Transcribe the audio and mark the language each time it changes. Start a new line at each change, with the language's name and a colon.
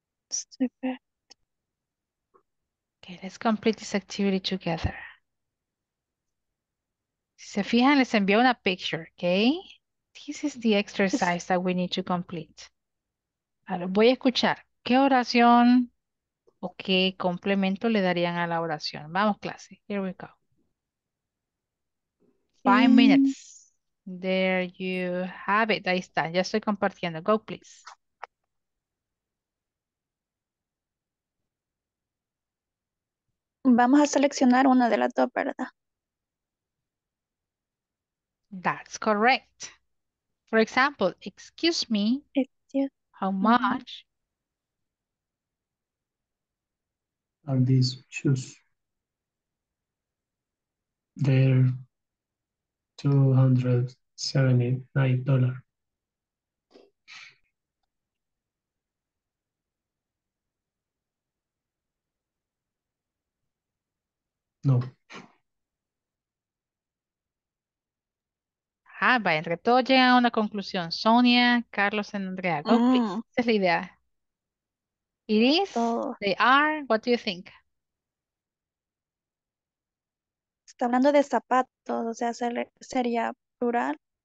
English: Stupid. Okay, let's complete this activity together.
Spanish: Si se fijan, les envío una picture, okay?
English: This is the exercise that we need to complete.
Spanish: Ahora voy a escuchar qué oración o qué complemento le darían a la oración. Vamos, clase.
English: Here we go. 5 minutes. There you have it.
Spanish: Ahí está. Ya estoy compartiendo.
English: Go, please.
Spanish: Vamos a seleccionar una de las dos, ¿verdad?
English: That's correct. For example, excuse me, how much are these shoes? They're $279.
Spanish: No. Ah, vaya, entre todos llegan a una conclusión. Sonia, Carlos, and Andrea.
English: Go, please.
Spanish: Esa es la idea.
English: It is, they are, what do you think?
Spanish: Está hablando de zapatos, o sea, sería plural.